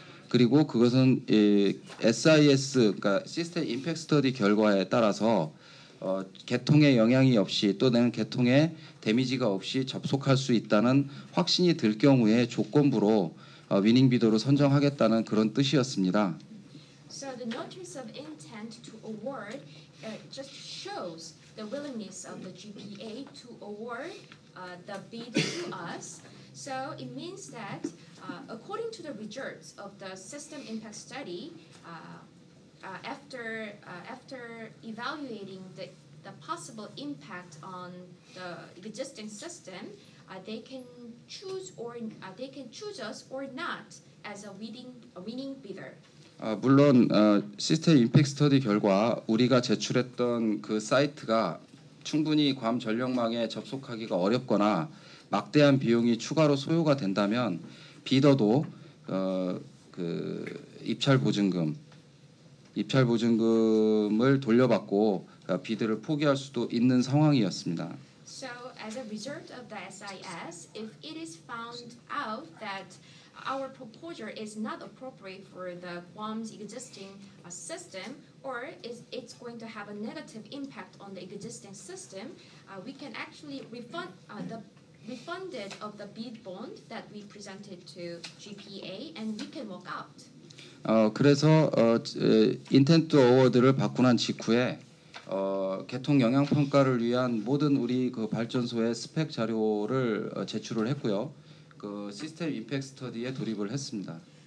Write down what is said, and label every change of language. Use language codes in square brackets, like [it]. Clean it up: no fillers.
[ko] 그리고 그것은 이 SIS 그러니까 시스템 임팩트 스터디 결과에 따라서 개통에 영향이 없이 또는 개통에 데미지가 없이 접속할 수 있다는 확신이 들 경우에 조건부로 위닝 비더로 선정하겠다는 그런 뜻이었습니다. [en] So the notice of intent to award just shows the willingness of the GPA to award the bid to us. So it means that according to the results of the system impact study, after evaluating the possible impact on the existing system, they can choose us or not as a winning bidder. [ko] 물론 시스템 임팩트 스터디 결과 우리가 제출했던 그 사이트가 충분히 괌 전력망에 접속하기가 어렵거나 막대한 비용이 추가로 소요가 된다면 비더도 그 입찰 보증금을 돌려받고 비드를 포기할 수도 있는 상황이었습니다. [en] So as a result of the SIS, if it is found out that our proposal is not appropriate for the Guam's existing system, or is it's going to have a negative impact on the existing system, we can actually refund of the bid bond that we presented to GPA, and we can walk out. [ko] 그래서 인텐트 어워드를 받고 난 직후에 개통 영향 평가를 위한 모든 우리 그 발전소의 스펙 자료를 제출을 했고요. 그 시스템 임팩트 스터디에 돌입을 했습니다.